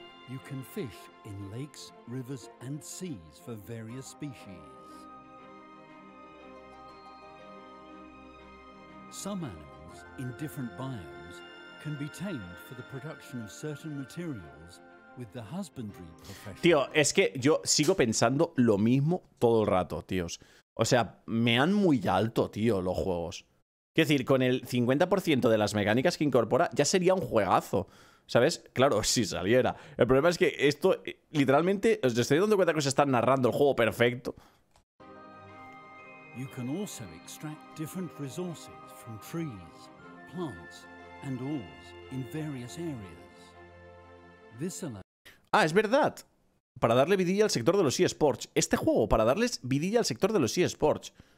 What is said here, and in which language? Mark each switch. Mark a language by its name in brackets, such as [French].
[English] You can fish in lakes, rivers, and seas for various species. Some animals in different biomes can be tamed for the production of certain materials with the husbandry profession. [Spanish] Tío, es que yo sigo pensando lo mismo todo el rato, tíos. O sea, me han muy alto, tío, los juegos. Quiero decir, con el 50% de las mecánicas que incorpora, ya sería un juegazo. ¿Sabes? Claro, si saliera. El problema es que esto, literalmente, os estoy dando cuenta que os están narrando el juego perfecto. [English] You can also extract different resources. From trees, plants, and ores in various areas. This allows... [Spanish] Ah, es verdad. Para darle vidilla al sector de los eSports. Este juego, para darles vidilla al sector de los eSports.